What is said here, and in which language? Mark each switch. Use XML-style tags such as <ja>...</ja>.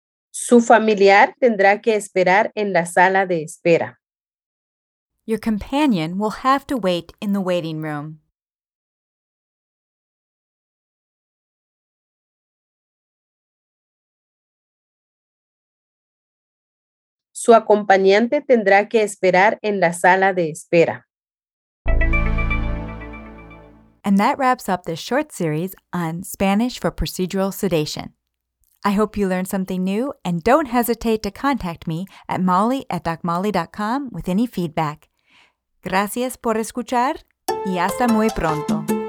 <es>Su familiar tendrá que esperar en la sala de espera.</es> <en>Your companion will have to wait in the waiting room.</en> <es>Su acompañante tendrá que esperar en la sala de espera.</es> <en>And that wraps up this short series on Spanish for procedural sedation. I hope you learned something new, and don't hesitate to contact me at molly@docmolly.com with any feedback.</en> <es>Gracias por escuchar y hasta muy pronto.</es>